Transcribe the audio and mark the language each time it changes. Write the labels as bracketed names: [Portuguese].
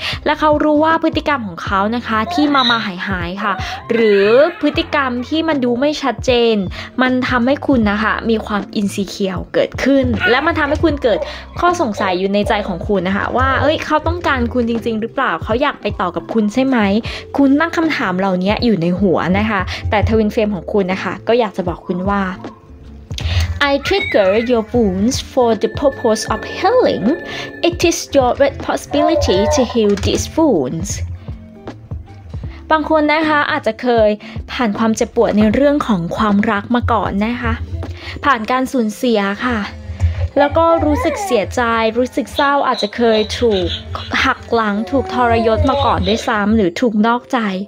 [Thai] และเขารู้ว่าพฤติกรรมของเขานะคะที่มาหายๆค่ะหรือพฤติกรรมที่มันดูไม่ชัดเจนมันทำให้คุณนะคะมีความอินซีเคียวเกิดขึ้นและมันทำให้คุณเกิดข้อสงสัยอยู่ในใจของคุณนะคะว่าเอ้ยเขาต้องการคุณจริงๆหรือเปล่าเขาอยากไปต่อกับคุณใช่ไหมคุณตั้งคำถามเหล่านี้อยู่ในหัวนะคะแต่ทวินเฟมของคุณนะคะก็อยากจะบอกคุณว่า [English] I trigger your wounds for the purpose of healing. It is your responsibility to heal these wounds. [Thai] บางคนนะคะอาจจะเคยผ่านความเจ็บปวดในเรื่องของความรักมาก่อนนะคะผ่านการสูญเสียค่ะแล้วก็รู้สึกเสียใจรู้สึกเศร้าอาจจะเคยถูกหักหลังถูกทรยศมาก่อนด้วยซ้ำหรือถูกนอกใจ